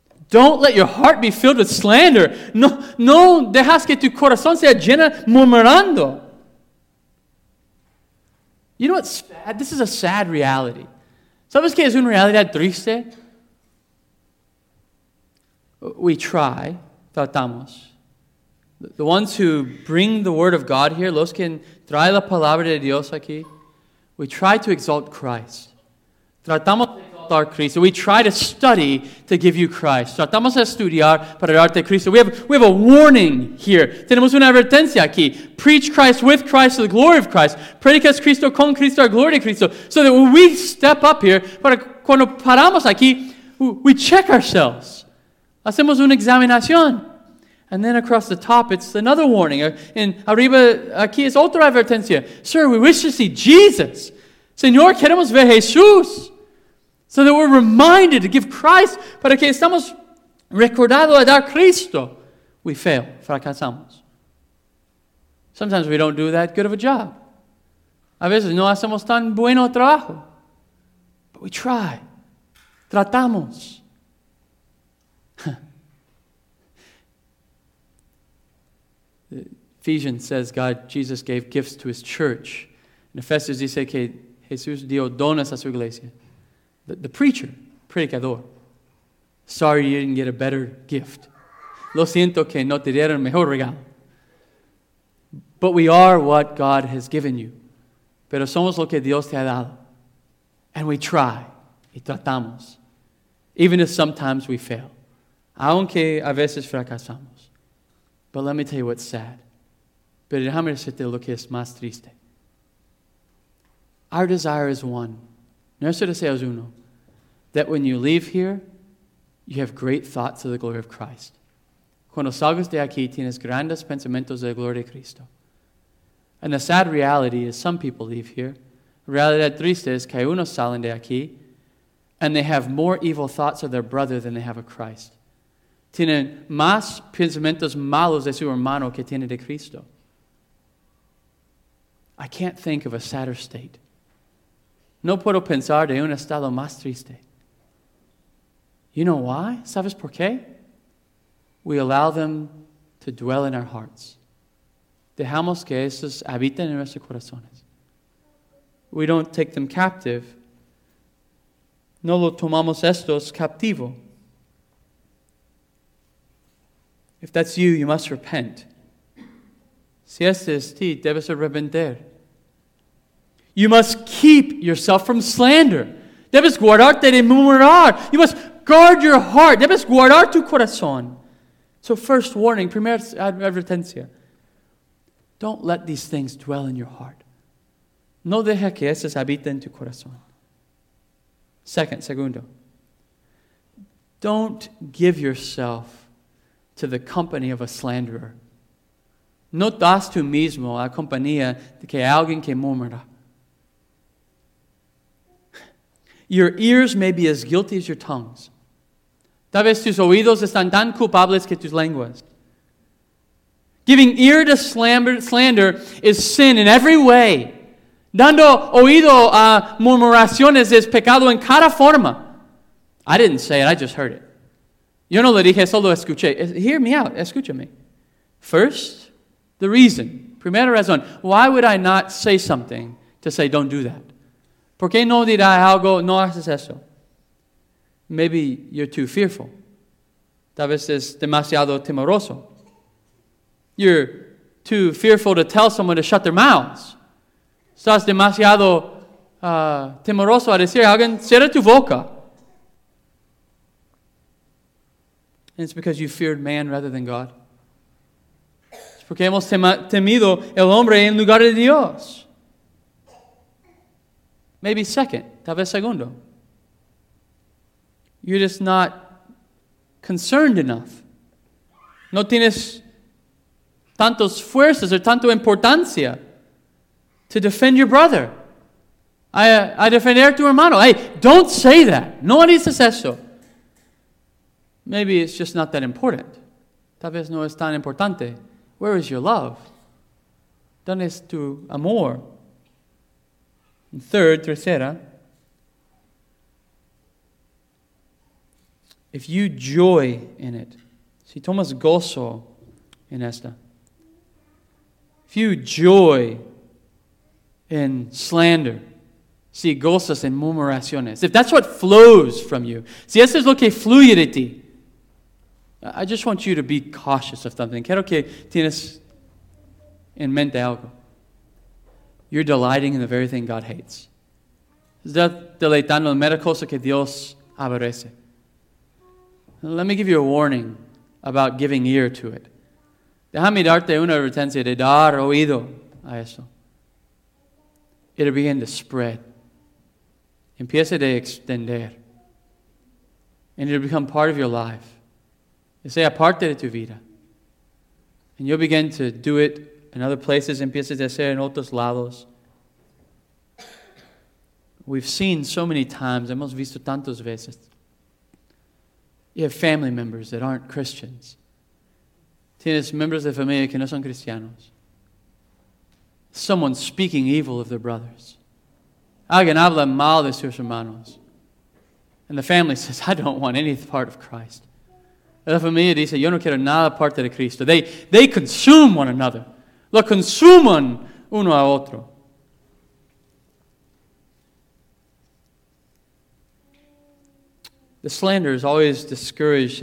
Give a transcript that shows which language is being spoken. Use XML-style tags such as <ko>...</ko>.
<en>Don't let your heart be filled with slander.</en> <es>No dejas que tu corazón sea lleno murmurando.</es> <en>You know what's sad? This is a sad reality.</en> <es>¿Sabes qué es una realidad triste?</es> <en>We try,</en> <es>tratamos.</es> <en>The ones who bring the word of God here,</en> <es>los que traen la palabra de Dios aquí,</es> <en>we try to exalt Christ.</en> <es>Tratamos de exaltar Cristo.</es> <en>We try to study to give you Christ.</en> <es>Tratamos de estudiar para darte Cristo.</es> <en>We have a warning here.</en> <es>Tenemos una advertencia aquí.</es> <en>Preach Christ with Christ to the glory of Christ.</en> <es>Predicas Cristo con Cristo a gloria de Cristo.</es> <en>So that when we step up here,</en> <es>para cuando paramos aquí,</es> <en>we check ourselves.</en> <es>Hacemos una examinación.</es> <en>And then across the top, it's another warning.</en> <es>En arriba aquí es otra advertencia.</es> <en>Sir, we wish to see Jesus.</en> <es>Señor, queremos ver Jesús.</es> <en>So that we're reminded to give Christ.</en> <es>Para que estamos recordados a dar Cristo.</es> <en>We fail.</en> <es>Fracasamos.</es> <en>Sometimes we don't do that good of a job.</en> <es>A veces no hacemos tan bueno trabajo.</es> <en>But we try.</en> <es>Tratamos.</es> <en>Ephesians says God, Jesus gave gifts to his church. In Ephesians,</en> <es>dice que Jesús dio dones a su iglesia.</es> <en>The preacher,</en> <es>predicador.</es> <en>Sorry you didn't get a better gift.</en> <es>Lo siento que no te dieron mejor regalo.</es> <en>But we are what God has given you.</en> <es>Pero somos lo que Dios te ha dado.</es> <en>And we try.</en> <es>Y tratamos.</es> <en>Even if sometimes we fail.</en> <es>Aunque a veces fracasamos.</es> <en>But let me tell you what's sad.</en> <es>Pero déjame decirte lo que es más triste.</es> <en>Our desire is one.</en> <es>Nuestro deseo es uno.</es> <en>That when you leave here, you have great thoughts of the glory of Christ.</en> <es>Cuando salgas de aquí, tienes grandes pensamientos de la gloria de Cristo.</es> <en>And the sad reality is some people leave here.</en> <es>Realidad triste es que unos salen de aquí</es> <en>and they have more evil thoughts of their brother than they have of Christ.</en> <es>Tienen más pensamientos malos de su hermano que tiene de Cristo.</es> <en>I can't think of a sadder state.</en> <es>No puedo pensar de un estado más triste.</es> <en>You know why?</en> <es>¿Sabes por qué?</es> <en>We allow them to dwell in our hearts.</en> <es>Dejamos que esos habiten en nuestros corazones.</es> <en>We don't take them captive.</en> <es>No lo tomamos estos captivo.</es> <en>If that's you, you must repent.</en> <es>Si este es ti, debes arrepentir.</es> <en>You must keep yourself from slander.</en> <es>Debes guardarte de murmurar.</es> <en>You must guard your heart.</en> <es>Debes guardar tu corazón.</es> <en>So first warning,</en> <es>primera advertencia.</es> <en>Don't let these things dwell in your heart.</en> <es>No deja que esas habiten tu corazón. Segundo.</es> <en>Don't give yourself to the company of a slanderer.</en> <es>No das tú mismo a compañía de que alguien que murmura.</es> <en>Your ears may be as guilty as your tongues.</en> <es>Tal vez tus oídos están tan culpables que tus lenguas.</es> <en>Giving ear to slander is sin in every way.</en> <es>Dando oído a murmuraciones es pecado en cada forma.</es> <en>I didn't say it, I just heard it.</en> <es>Yo no lo dije, solo escuché.</es> <en>Hear me out,</en> <es>escúchame.</es> <en>First, the reason.</en> <es>Primera razón.</es> <en>Why would I not say something to say don't do that?</en> <es>¿Por qué no dirá algo, no haces eso?</es> <en>Maybe you're too fearful.</en> <es>Tal vez es demasiado temeroso.</es> <en>You're too fearful to tell someone to shut their mouths.</en> <es>Estás demasiado temeroso a decir a alguien, cierra tu boca.</es> <en>And it's because you feared man rather than God.</en> <es>Es porque hemos temido el hombre en lugar de Dios.</es> <en>Maybe second,</en> <es>tal vez segundo.</es> <en>You're just not concerned enough.</en> <es>No tienes tantos fuerzas o tanto importancia</es> <en>to defend your brother.</en> <es>I defender tu hermano.</es> <en>Hey, don't say that.</en> <es>No dices eso.</es> <en>Maybe it's just not that important.</en> <es>Tal vez no es tan importante.</es> <en>Where is your love? ¿Dónde es tu amor? And tercera. If you joy in it.</en> <es>Si tomas gozo en esta.</es> <en>If you joy in slander.</en> <es>Si gozas en murmuraciones.</es> <en>If that's what flows from you.</en> <es>Si eso es lo que fluye de ti.</es> <en>I just want you to be cautious of something.</en> <es>Quiero que tienes en mente algo.</es> <en>You're delighting in the very thing God hates.</en> <es>Estás deleitando en mera cosa que Dios aborrece.</es> <en>Let me give you a warning about giving ear to it.</en> <es>Déjame darte una advertencia de dar oído a eso.</es> <en>It'll begin to spread.</en> <es>Empieza de extender.</es> <en>And it'll become part of your life.</en> <es>Es parte de tu vida.</es> <en>And you'll begin to do it in other places.</en> <es>Empieza de hacer en otros lados.</es> <en>We've seen so many times.</en> <es>Hemos visto tantas veces.</es> <en>You have family members that aren't Christians.</en> <es>Tienes miembros de familia que no son cristianos.</es> <en>Someone speaking evil of their brothers.</en> <es>Alguien habla mal de sus hermanos.</es> <en>And the family says, I don't want any part of Christ.</en> <es>La familia dice, yo no quiero nada parte de Cristo.</es> <en>They consume one another.</en> <es>Lo consuman uno a otro.</es> <en>The The slander is always discouraged.</en>